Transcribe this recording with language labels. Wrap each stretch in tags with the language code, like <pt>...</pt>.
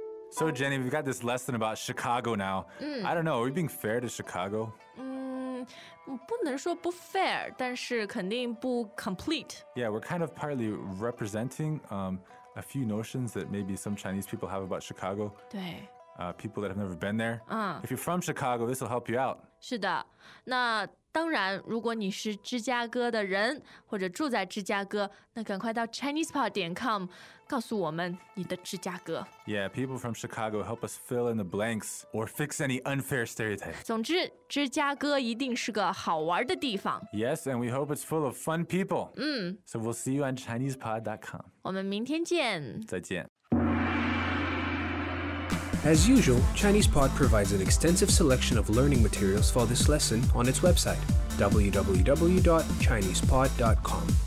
<en>So Jenny, we've got this lesson about Chicago now. I don't know, are we being fair to Chicago?</en> <zh>不能说不 fair, 但是肯定不 complete.</zh> <en>Yeah, we're kind of partly representing, a few notions that maybe some Chinese people have about Chicago.</en> <zh>对。</zh> <en>People that have never been there. If you're from Chicago, this will help you out.</en> <zh>是的。那当然，如果你是芝加哥的人，或者住在芝加哥，那赶快到 ChinesePod.com 告诉我们你的芝加哥。</zh> <en>Yeah, people from Chicago help us fill in the blanks or fix any unfair stereotypes.</en> <zh>总之，芝加哥一定是个好玩的地方。</zh> <en>Yes, and we hope it's full of fun people. So we'll see you on ChinesePod.com.</en> <zh>我们明天见。再见。</zh> <en>As usual, ChinesePod provides an extensive selection of learning materials for this lesson on its website, www.chinesepod.com.</en>